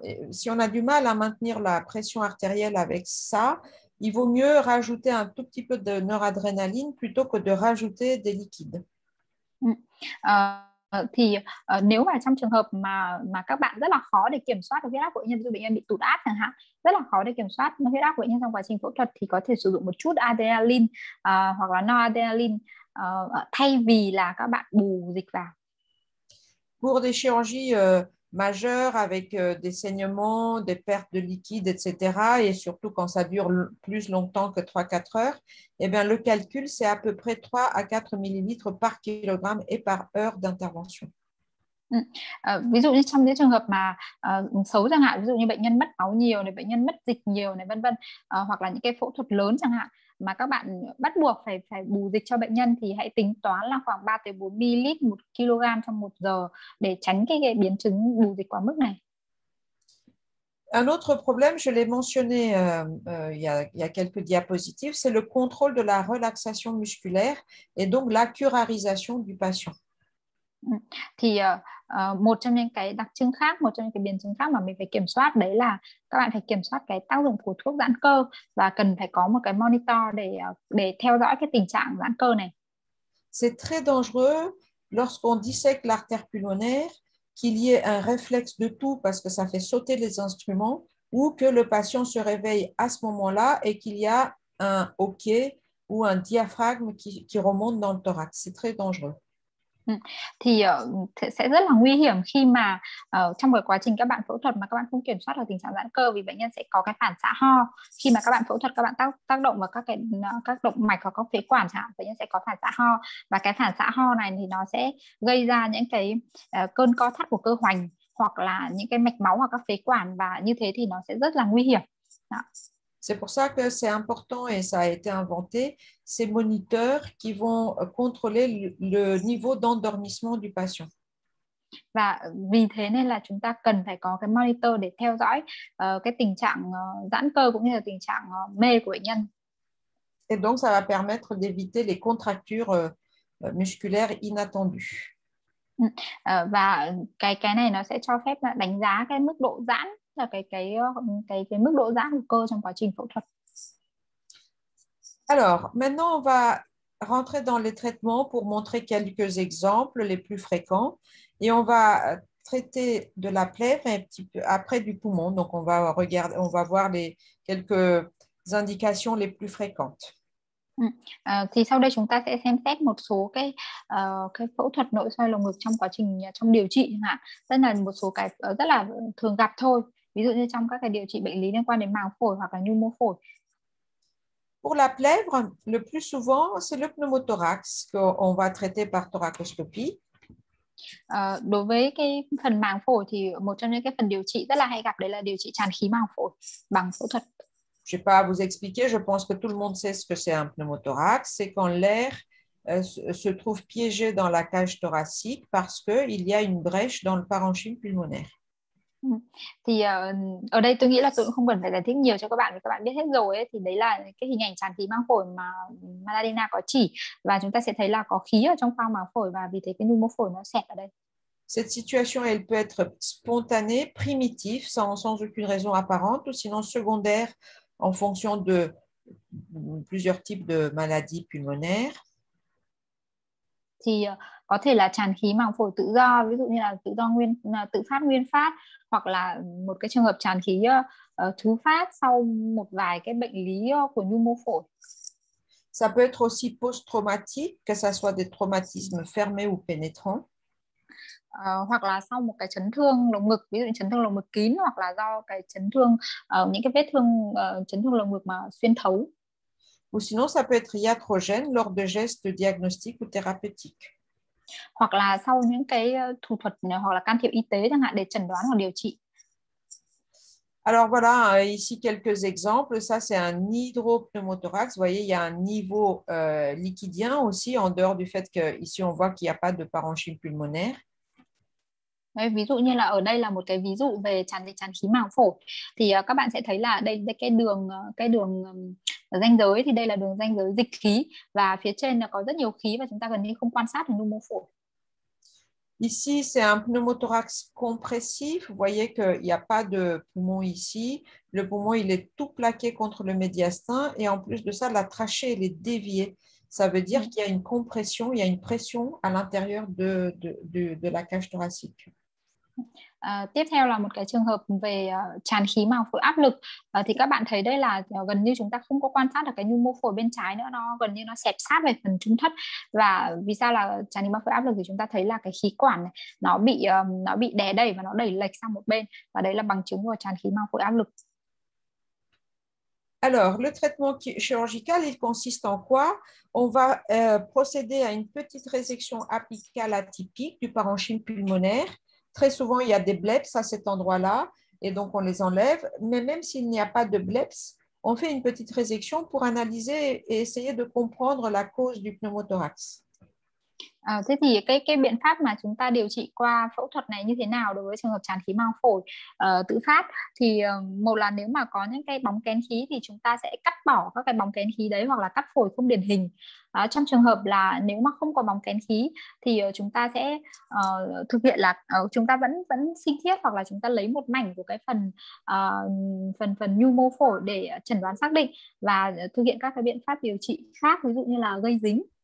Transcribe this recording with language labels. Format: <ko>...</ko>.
<fr>Si on a du mal à maintenir la pression artérielle avec ça, il vaut mieux rajouter un tout petit peu de noradrénaline plutôt que de rajouter des liquides.</fr> <vi>Thì nếu mà trong trường hợp mà các bạn rất là khó để kiểm soát được huyết áp của bệnh nhân, ví dụ bệnh nhân bị tụt áp chẳng hạn, rất là khó để kiểm soát huyết áp của bệnh nhân trong quá trình phẫu thuật, thì có thể sử dụng một chút adrenaline hoặc là noradrenaline thay vì là các bạn bù dịch vào.</vi> <fr>Pour des chirurgies majeur avec des saignements, des pertes de liquide, etc. Et surtout quand ça dure plus longtemps que 3-4 heures, eh bien le calcul, c'est à peu près 3 à 4 millilitres par kilogramme et par heure d'intervention.</fr> <vi>Ví dụ như trong những trường hợp mà xấu chẳng hạn, ví dụ như bệnh nhân mất máu nhiều này, bệnh nhân mất dịch nhiều này, vân vân, hoặc là những cái phẫu thuật lớn chẳng hạn mà các bạn bắt buộc phải phải bù dịch cho bệnh nhân, thì hãy tính toán là khoảng 3 tới 4 ml 1 kg trong 1 giờ để tránh cái biến chứng bù dịch quá mức này.</vi> <fr>Un autre problème, je l'ai mentionné il y a quelques diapositives, c'est le contrôle de la relaxation musculaire et donc la curarisation du patient.</fr> <vi>Thì một trong những cái đặc trưng khác, một trong những cái biến chứng khác mà mình phải kiểm soát đấy là các bạn phải kiểm soát cái tác dụng của thuốc giãn cơ và cần phải có một cái monitor để theo dõi cái tình trạng giãn cơ này.</vi> <fr>C'est très dangereux lorsqu'on dissèque l'artère pulmonaire, qu'il y ait un réflexe de toux parce que ça fait sauter les instruments ou que le patient se réveille à ce moment-là et qu'il y a un hoquet ou un diaphragme qui remonte dans le thorax. C'est très dangereux.</fr> <vi>Thì sẽ rất là nguy hiểm khi mà trong cái quá trình các bạn phẫu thuật mà các bạn không kiểm soát được tình trạng giãn cơ, vì bệnh nhân sẽ có cái phản xạ ho. Khi mà các bạn phẫu thuật, các bạn tác động vào các động mạch hoặc các phế quản chẳng hạn, bệnh nhân sẽ có phản xạ ho. Và cái phản xạ ho này thì nó sẽ gây ra những cái cơn co thắt của cơ hoành hoặc là những cái mạch máu hoặc các phế quản, và như thế thì nó sẽ rất là nguy hiểm. Đó.</vi> <fr>C'est pour ça que c'est important et ça a été inventé, ces moniteurs qui vont contrôler le niveau d'endormissement du patient.</fr> <vi>Và vì thế nên là chúng ta cần phải có cái monitor để theo dõi cái tình trạng giãn cơ cũng như là tình trạng mê của bệnh nhân.</vi> <fr>Et donc ça va permettre d'éviter les contractures musculaires inattendues.</fr> <vi>Và cái này nó sẽ cho phép đánh giá cái mức độ giãn, là cái mức độ giãn cơ trong quá trình phẫu thuật.</vi> <fr>Alors, maintenant on va rentrer dans les traitements pour montrer quelques exemples les plus fréquents et on va traiter de la plèvre un petit peu après du poumon. Donc on va regarder, on va voir les quelques indications les plus fréquentes.</fr> <vi>Thì sau đây chúng ta sẽ xem xét một số cái phẫu thuật nội soi lồng ngực trong quá trình trong điều trị ạ. Đây là một số cái rất là thường gặp thôi. Ví dụ như trong các cái điều trị bệnh lý liên quan đến màng phổi hoặc là nhu mô phổi.</vi> <fr>Pour la plèvre, le plus souvent, c'est le pneumothorax qu'on va traiter par thoracoscopie.</fr> <vi>Đối với cái phần màng phổi thì một trong những cái phần điều trị rất là hay gặp đấy là điều trị tràn khí màng phổi bằng phẫu thuật.</vi> <fr>Je ne vais pas vous expliquer, je pense que tout le monde sait ce que c'est un pneumothorax. C'est quand l'air se trouve piégé dans la cage thoracique parce qu'il y a une brèche dans le parenchyme pulmonaire.</fr> <vi>Thì ở đây tôi nghĩ là tôi cũng không cần phải giải thích nhiều cho các bạn vì các bạn biết hết rồi ấy. Thì đấy là cái hình ảnh tràn khí màng phổi mà Maladina có chỉ, và chúng ta sẽ thấy là có khí ở trong khoang màng phổi và vì thế cái nhu mô phổi nó xẹt ở đây.</vi> <fr>Cette situation elle peut être spontanée, primitive, sans aucune raison apparente ou sinon secondaire en fonction de plusieurs types de maladies pulmonaires.</fr> <vi>Thì có thể là tràn khí màng phổi tự do, ví dụ như là tự do nguyên tự phát nguyên phát, hoặc là một cái trường hợp tràn khí thứ phát sau một vài cái bệnh lý của nhu mô phổi.</vi> <fr>Ça peut être aussi post-traumatique, que ça soit des traumatismes fermés ou pénétrants.</fr> <vi>Hoặc là sau một cái chấn thương lồng ngực, ví dụ chấn thương lồng ngực kín, hoặc là do cái chấn thương những cái vết thương chấn thương lồng ngực mà xuyên thấu.</vi> <fr>Ou sinon ça peut être iatrogène lors de gestes diagnostiques ou thérapeutiques.</fr> <vi>Hoặc là sau những cái thủ thuật hoặc là can thiệp y tế chẳng hạn để chẩn đoán hoặc điều trị.</vi> <fr>Alors voilà, ici quelques exemples. Ça c'est un hydropneumothorax. Vous voyez, il y a un niveau liquidien aussi en dehors du fait que ici on voit qu'il n'y a pas de parenchyme pulmonaire.</fr> <vi>Đấy, ví dụ như là ở đây là một cái ví dụ về tràn dịch tràn khí màng phổi. Thì các bạn sẽ thấy là đây là cái đường ranh giới, thì đây là đường ranh giới dịch khí và phía trên là có rất nhiều khí và chúng ta gần như không quan sát được nhu mô phổi.</vi> <fr>Ici, c'est un pneumothorax compressif. Vous voyez qu'il n'y a pas de poumon ici. Le poumon, il est tout plaqué contre le médiastin. Et en plus de ça, la trachée, elle est déviée. Ça veut dire qu'il y a une compression, il y a une pression à l'intérieur de la cage thoracique.</fr> <vi>Tiếp theo là một cái trường hợp về tràn khí màng phổi áp lực. Thì các bạn thấy đây là gần như chúng ta không có quan sát được cái nhu mô phổi bên trái nữa, nó gần như nó xẹp sát về phần trung thất. Và vì sao là tràn khí màng phổi áp lực, thì chúng ta thấy là cái khí quản này, nó bị đè đầy và nó đẩy lệch sang một bên, và đấy là bằng chứng của tràn khí màng phổi áp lực.</vi> <fr>Alors, le traitement chirurgical, il consiste en quoi? On va procéder à une petite résection apicale atypique du parenchyme pulmonaire. Très souvent, il y a des bleps à cet endroit-là, et donc on les enlève. Mais même s'il n'y a pas de bleps, on fait une petite résection pour analyser et essayer de comprendre la cause du pneumothorax.</fr> <vi>À, thế thì cái biện pháp mà chúng ta điều trị qua phẫu thuật này như thế nào đối với trường hợp tràn khí mang phổi tự phát? Thì một là nếu mà có những cái bóng kén khí thì chúng ta sẽ cắt bỏ các cái bóng kén khí đấy hoặc là cắt phổi không điển hình. Trong trường hợp là nếu mà không có bóng kén khí thì chúng ta sẽ thực hiện là chúng ta vẫn vẫn sinh thiết hoặc là chúng ta lấy một mảnh của cái phần phần phần nhu mô phổi để chẩn đoán xác định và thực hiện các cái biện pháp điều trị khác, ví dụ như là gây dính.</vi>